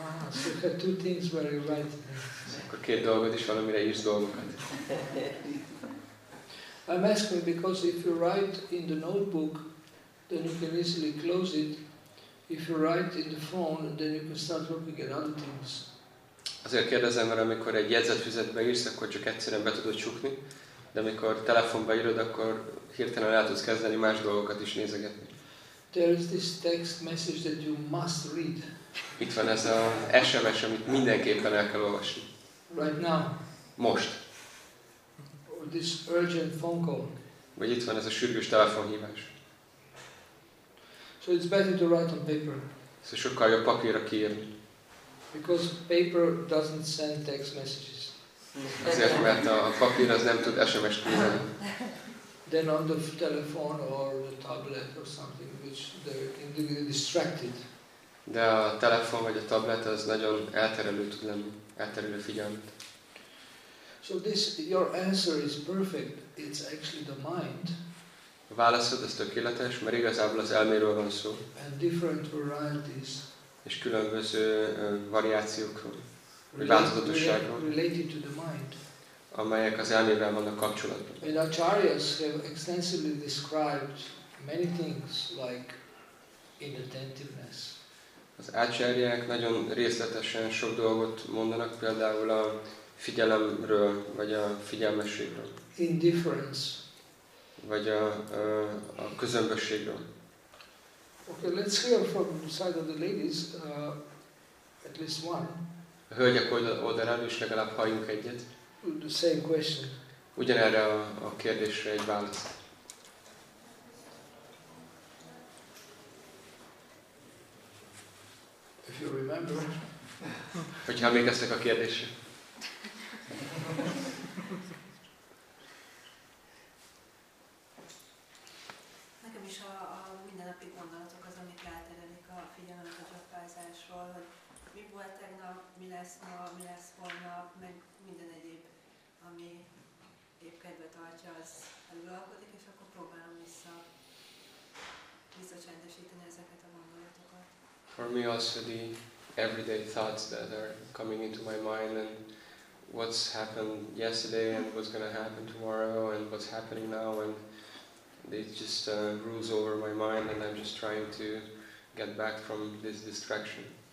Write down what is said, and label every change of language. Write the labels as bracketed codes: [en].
[en] So you have two things where you write. [hu] Akkor két dolgot is van, amire írsz dolgokat. [en] I'm asking because if you write in the notebook, then you can easily close it. If you write in the phone, then you can start looking at other things. [hu] Azért kérdezem, mert amikor egy jegyzetfüzetbe írsz, akkor csak egyszerűen be tudod csukni. De amikor telefonba írod, akkor hirtelen el tudsz kezdeni más dolgokat is nézegetni. [en] There is this text message that you must read. [hu] Itt van ez az SMS, amit mindenképpen el kell olvasni. [en] Right now. [hu] Most. [en] Or this urgent phone call. [hu] Vagy itt van ez a sürgős telefonhívás. [en] So it's better to write on paper. [hu] Szóval sokkal jobb papírra kiírni. [en] Because paper doesn't send text messages. [hu] Azért, mert a papír az nem tud SMS-t küldeni. [en] Then on the telephone or the tablet or something, which they can be distracted. [hu] De a telefon vagy a tablet az nagyon elterelő tud lenni, elterelő figyelmet. [en] So this, your answer is perfect. It's actually the mind. [hu] A válaszod az tökéletes, mert igazából az elméről van szó. [en] And different varieties. [hu] És különböző variációkról. Változatosságon, [en] related to the mind. [hu] Amelyek az elmével vannak kapcsolatban. [en] And acharyas have extensively described many things like inattentiveness. [hu] Az acharyák nagyon részletesen sok dolgot mondanak, például a figyelemről vagy a figyelmességről. [en] Indifference. [hu] Vagy a közömbösségről. [en] Okay, let's hear from the side of the ladies at least one. [hu] A hölgyek oldalán is legalább halljunk egyet. [en] The same question. [hu] Ugyanerre a kérdésre egy választ. [en] If you remember. [hu] Hogyha emlékeztek a kérdésre. Nekem is a mindennapi gondolatok az, amik elterelik a figyelmet a gyakorlásról, hogy mi volt tegnap, mi lesz ma, mi lesz holnap, meg minden egyéb, ami épp kedve tartja, az előalkodik, és akkor próbálom visszacsendesíteni ezeket a gondolatokat. [en] For me also the everyday thoughts that are coming into my mind, and what's happened yesterday, and what's going to happen tomorrow, and what's happening now, and it just rules over my mind, and I'm just trying to get back from this distraction.